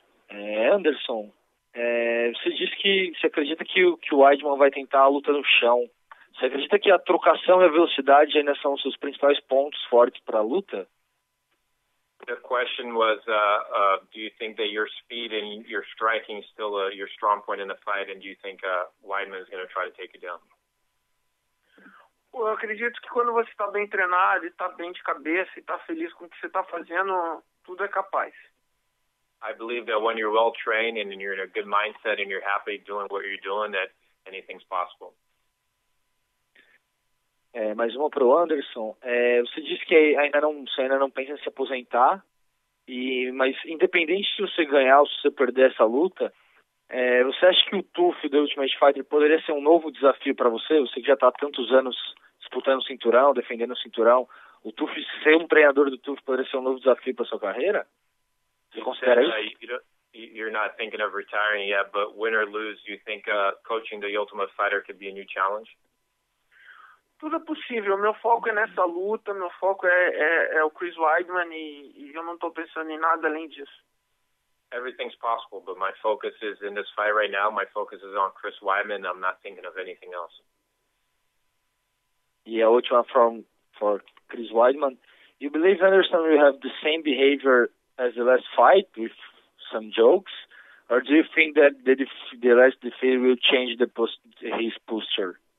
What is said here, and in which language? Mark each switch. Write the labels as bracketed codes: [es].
[pt] Anderson, você disse que você acredita que o Weidman vai tentar a luta no chão. Você acredita que a trocação e a velocidade ainda são os seus principais pontos fortes para a luta? [en] The question was, do you think that your speed and your striking is still your strong point in the fight, and do you think Weidman is going to try to take you down? [pt] Well, eu acredito que quando você está bem treinado e está bem de cabeça e está feliz com o que você está fazendo, tudo é capaz. [en] I believe that when you're well trained and you're in a good mindset and you're happy doing what you're doing, that anything's possible. [pt] Mais uma para o Anderson. Você disse que ainda não pensa em se aposentar, mas independente se você ganhar ou se você perder essa luta, É, você acha que o TUF do Ultimate Fighter poderia ser um novo desafio para você? Você que já está há tantos anos disputando o cinturão, defendendo o cinturão, o TUF, ser um treinador do TUF poderia ser um novo desafio para sua carreira? Você considera isso? [en] You're not thinking of retiring yet, but win or lose, you think coaching the Ultimate Fighter could be a new challenge? [pt] Tudo é possível. Meu foco é nessa luta, meu foco é o Chris Weidman e eu não estou pensando em nada além disso. [en] Everything's possible, but my focus is in this fight right now, my focus is on Chris Weidman, I'm not thinking of anything else. Yeah, which one for Chris Weidman? You believe Anderson will have the same behavior as the last fight with some jokes, or do you think that the last defeat will change the his posture?